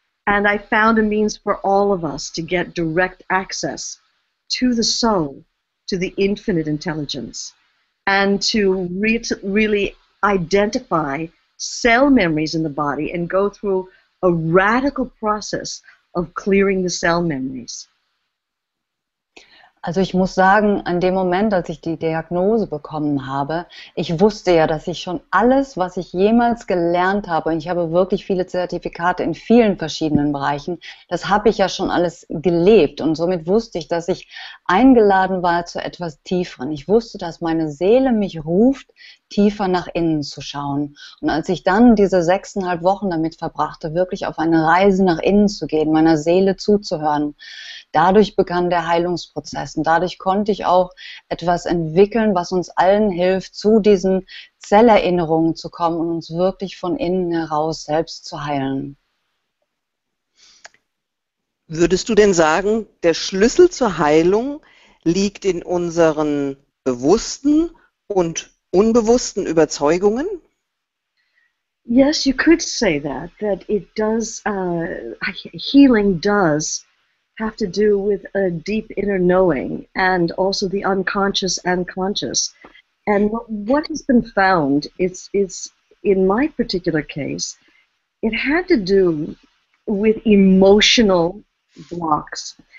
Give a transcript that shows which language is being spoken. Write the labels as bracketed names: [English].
[English] And I found a means for all of us to get direct access to the soul, to the infinite intelligence, and to really identify cell memories in the body and go through a radical process of clearing the cell memories. [German] Also ich muss sagen, an dem Moment, als ich die Diagnose bekommen habe, ich wusste ja, dass ich schon alles, was ich jemals gelernt habe, und ich habe wirklich viele Zertifikate in vielen verschiedenen Bereichen, das habe ich ja schon alles gelebt. Und somit wusste ich, dass ich eingeladen war zu etwas Tieferen. Ich wusste, dass meine Seele mich ruft, tiefer nach innen zu schauen. Und als ich dann diese 6.5 Wochen damit verbrachte, wirklich auf eine Reise nach innen zu gehen, meiner Seele zuzuhören, dadurch begann der Heilungsprozess. Und dadurch konnte ich auch etwas entwickeln, was uns allen hilft, zu diesen Zellerinnerungen zu kommen und uns wirklich von innen heraus selbst zu heilen. Würdest du denn sagen, der Schlüssel zur Heilung liegt in unseren bewussten und unbewussten Überzeugungen? [English] Yes, you could say that it does, healing does have to do with a deep inner knowing and also the unconscious and conscious. And what has been found, it's in my particular case, it had to do with emotional blocks.